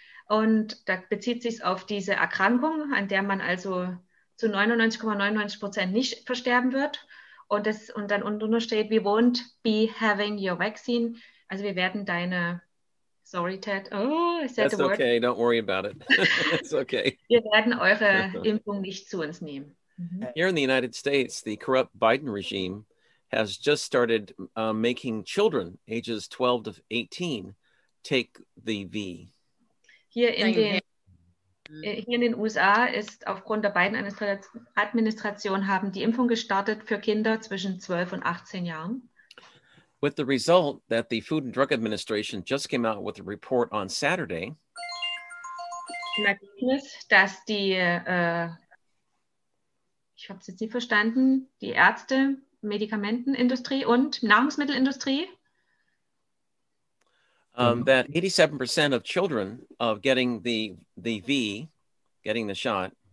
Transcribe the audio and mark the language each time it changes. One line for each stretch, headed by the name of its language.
German: Und da bezieht sich auf diese Erkrankung, an der man also zu 99,99% nicht versterben wird. Und dann unten steht,
English: we won't be having your vaccine.
German: Also wir werden deine...
English: Sorry, Ted. Oh, I said That's the word. Okay. Don't worry about it. It's okay.
German: Wir werden eure Impfung nicht zu uns nehmen.
English: Here in the United States, the corrupt Biden regime has just started making children ages 12 to 18 take the V.
German: Hier in den USA ist aufgrund der Biden-Administration haben die Impfung gestartet für Kinder zwischen 12 und 18 Jahren.
English: With the result that the Food and Drug Administration just came out with a report on Saturday.
German: Im Ergebnis, dass die, ich habe es jetzt nicht verstanden, die Ärzte, Medikamentenindustrie und Nahrungsmittelindustrie.
English: That 87% of children of getting the V, getting the shot.